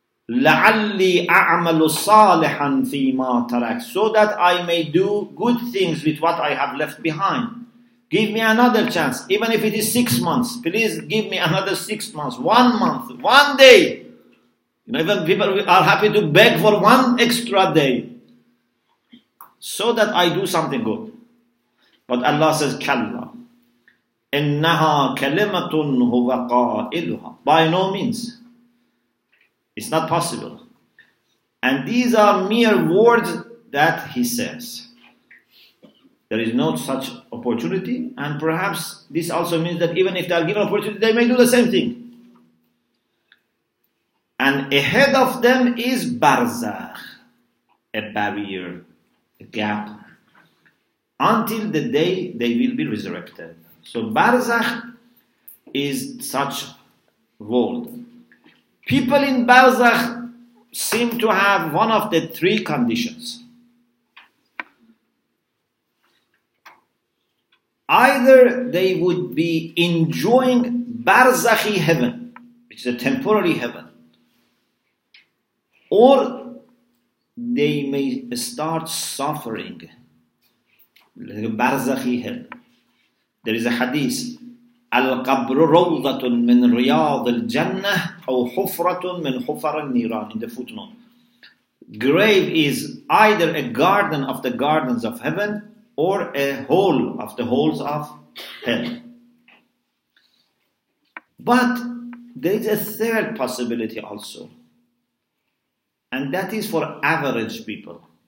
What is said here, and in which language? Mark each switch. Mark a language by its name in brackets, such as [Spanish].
[Arabic] لعلي أعمل صالحا فيما ترك, [English] so that I may do good things with what I have left behind. Give me another chance, even if it is 6 months. Please give me another 6 months, 1 month, 1 day. You know, even people are happy to beg for one extra day, so that I do something good. But Allah says, [Arabic] كلا إنها كلمة هو قائلها. [English] By no means. It's not possible. And these are mere words that he says. There is no such opportunity. And perhaps this also means that even if they are given opportunity, they may do the same thing. And ahead of them is barzakh, a barrier, a gap, until the day they will be resurrected. So barzakh is such world. People in barzakh seem to have one of the three conditions. Either they would be enjoying barzakhi heaven, which is a temporary heaven, or they may start suffering like barzakhi heaven. There is a hadith, [Arabic] القبر روضة من رياض الجنة أو حفرة من حفر النيران, [English] in the footnote. Grave is either a garden of the gardens of heaven or a hole of the holes of hell. But there is a third possibility also, and that is for average people.